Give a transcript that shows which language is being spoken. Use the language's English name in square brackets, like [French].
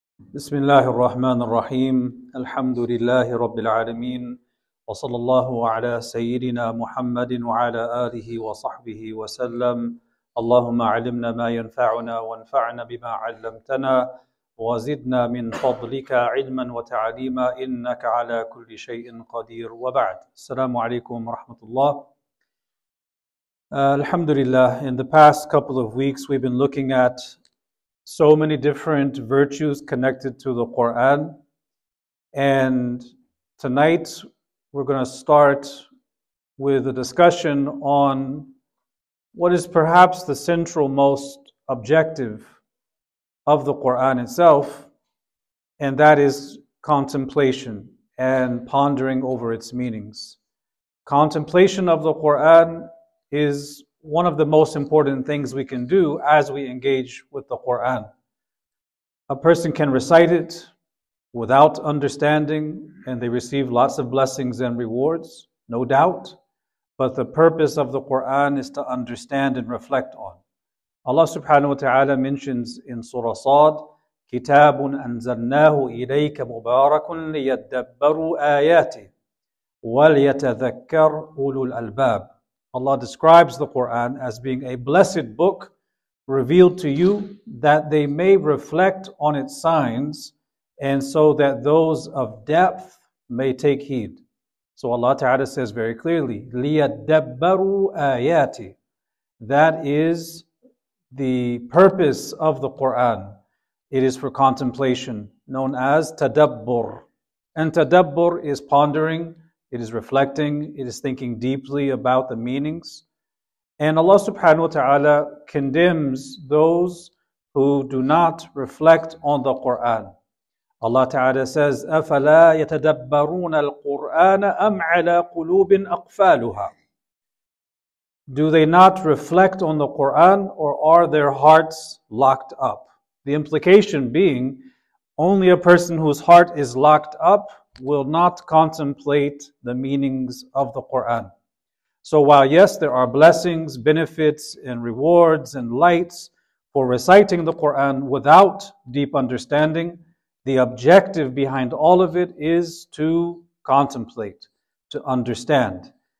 [Arabic] بسم الله الرحمن الرحيم الحمد لله رب العالمين وصلى الله على سيدنا محمد وعلى آله وصحبه وسلم اللهم علمنا ما ينفعنا وانفعنا بما علمتنا وزدنا من فضلك علما وتعليما إنك على كل شيء قدير وبعد السلام عليكم ورحمة الله الحمد لله. [English] In the past couple of weeks we've been looking at so many different virtues connected to the Quran. And tonight we're going to start with a discussion on what is perhaps the central most objective of the Quran itself, and that is contemplation and pondering over its meanings. Contemplation of the Quran is one of the most important things we can do as we engage with the Quran. A person can recite it without understanding and they receive lots of blessings and rewards, no doubt. But the purpose of the Quran is to understand and reflect on. Allah subhanahu wa ta'ala mentions in Surah Sad, [Arabic] كِتَابٌ أَنزَلْنَاهُ إِلَيْكَ مُبَارَكٌ لِيَدَّبَّرُوا آيَاتِهِ وَلْيَتَذَكَّرْ أُولُو الْأَلْبَابِ. [English] Allah describes the Quran as being a blessed book revealed to you that they may reflect on its signs and so that those of depth may take heed. So Allah Ta'ala says very clearly, [Arabic] لِيَدَّبَّرُوا آيَاتِ. [English] That is the purpose of the Quran. It is for contemplation, known as tadabbur. And tadabbur is pondering. It is reflecting, it is thinking deeply about the meanings. And Allah subhanahu wa ta'ala condemns those who do not reflect on the Qur'an. Allah ta'ala says, [Arabic] أَفَلَا يَتَدَبَّرُونَ الْقُرْآنَ أَمْ عَلَىٰ قُلُوبٍ أَقْفَالُهَا. [English] Do they not reflect on the Qur'an or are their hearts locked up? The implication being, only a person whose heart is locked up will not contemplate the meanings of the Qur'an. So while yes, there are blessings, benefits, and rewards, and lights for reciting the Qur'an without deep understanding, the objective behind all of it is to contemplate, to understand.